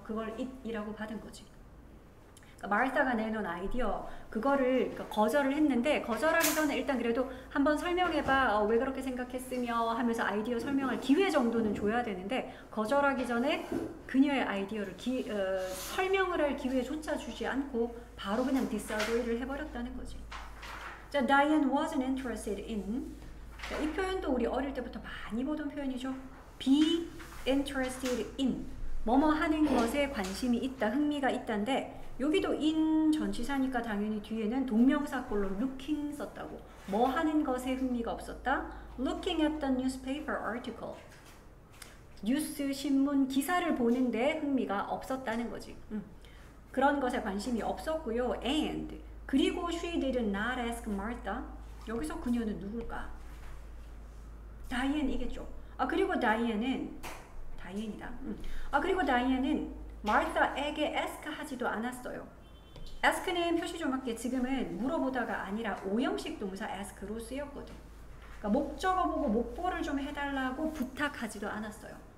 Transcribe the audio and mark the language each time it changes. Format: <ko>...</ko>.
<ko>그걸 it이라고 받은 거지. 그러니까 마르타가 내놓은 아이디어, 그거를 그러니까 거절을 했는데, 거절하기 전에 일단 그래도 한번 설명해봐. 왜 그렇게 생각했으며 하면서 아이디어 설명할 기회 정도는 줘야 되는데, 거절하기 전에 그녀의 아이디어를 설명을 할 기회조차 주지 않고 바로 그냥 disagree를 해버렸다는 거지. 자,</ko> <en>Diane wasn't interested in.</en> <ko>자, 이 표현도 우리 어릴 때부터 많이 보던 표현이죠.</ko> <en>Be interested in.</en> <ko>뭐뭐 하는 것에 관심이 있다, 흥미가 있다인데, 여기도 in 전치사니까 당연히 뒤에는 동명사꼴로 looking 썼다고. 뭐 하는 것에 흥미가 없었다?</ko> <en>Looking at the newspaper article.</en> <ko>뉴스 신문 기사를 보는데 흥미가 없었다는 거지. 그런 것에 관심이 없었고요.</ko> <en>And 그리고 she did not ask Martha.</en> <ko>여기서 그녀는 누굴까? 다이앤이겠죠. 아 그리고 다이앤은 다이앤이다. 아 그리고 다이앤은 마르타에게 ask하지도 않았어요. ask는 표시 좀 할게. 지금은 물어보다가 아니라 오형식 동사 ask로 쓰였거든. 그러니까 목적어 보고 목보를 좀 해달라고 부탁하지도 않았어요.</ko>